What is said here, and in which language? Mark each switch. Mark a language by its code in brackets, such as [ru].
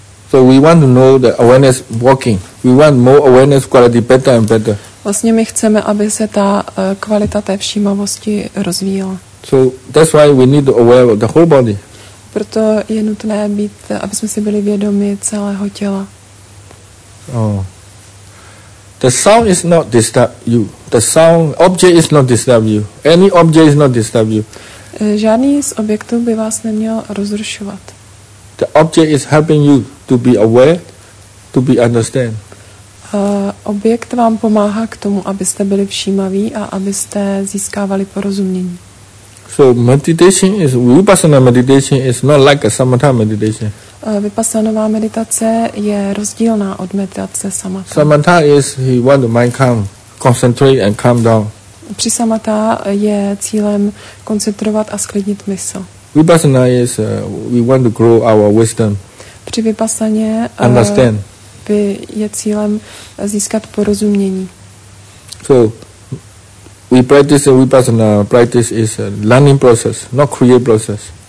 [en] So we want to know the awareness working. We want more awareness quality, better and better. [cs] Vlastně my chceme, aby se ta kvalita té všímavosti rozvíjela. [en] So that's why we need to aware of the whole body. [cs] Proto je nutné být, aby jsme si byli vědomi celého těla. [en] The sound is not disturb you. The sound object is not disturb you. Any object is not disturb you. [cs] Žádný z objektů by vás neměl rozrušovat. [en] The object is helping you to be aware, to be understand. [cs] Objekt vám pomáhá k tomu, abyste byli všímaví a abyste získávali porozumění. [en] So meditation is vipassana meditation is not like a samatha meditation. [cs] Vipassanová meditace je rozdílná od meditace samatha. [en] Samatha is he want the mind calm, concentrate and calm down. [cs] Při samatha je cílem koncentrovat a sklidnit mysl. [en] Vipassana is we want to grow our wisdom. [cs] Při vipassaně [en] understand. [cs] Je cílem získat porozumění. [en] So we practice and vipassana practice is a learning process, not create process.